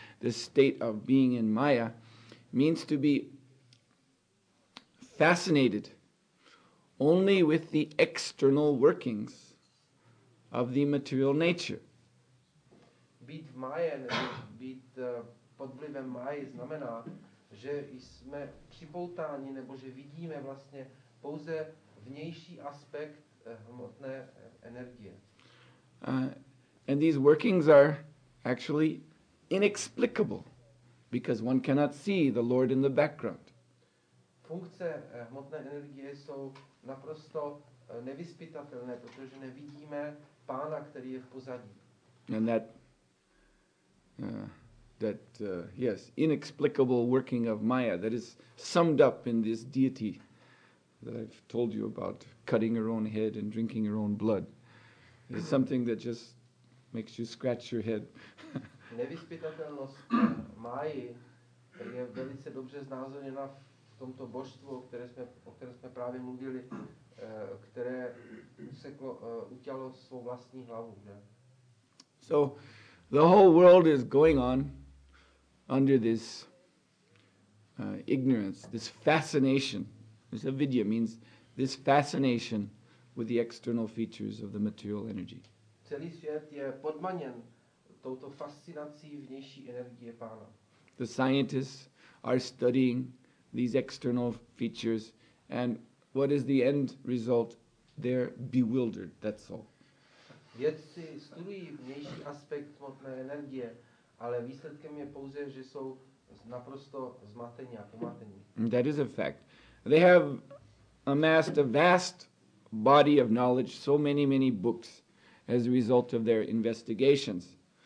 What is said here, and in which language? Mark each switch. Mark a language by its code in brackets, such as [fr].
[en] The state of being in Maya means to be fascinated only with the external workings of the material nature. [cs] Být v Maya, nebo být pod vlivem Maya, znamená, že jsme připoutáni, nebo že vidíme vlastně pouze vnější aspekt hmotné energie. [en] And these workings are actually inexplicable, because one cannot see the Lord in the background. [cs] Funkce hmotné energie jsou naprosto nevyspytatelné, protože nevidíme Pána, který je v pozadí. [en] And that, yes, inexplicable working of Maya that is summed up in this deity that I've told you about, cutting her own head and drinking her own blood, is something that just makes you scratch your head. [cs] Nevyspytatelnost Máji je velice dobře znázorněna v tomto božstvu, o kterém jsme právě mluvili, které useklo, utělo svou vlastní hlavu. Že? [en] So, the whole world is going on under this ignorance, this fascination. This avidya means this fascination with the external features of the material energy. [cs] Celý svět je podmaněn touto fascinací vnější energie Pána. [en] The scientists are studying these external features, and what is the end result? They're bewildered, that's all. [cs] Vědci studují vnější aspekt hmotné energie, ale výsledkem je pouze, že jsou naprosto zmatení a pomatení. [en] That is a fact. They have amassed a vast body of knowledge, so many, many books, as a result of their investigations.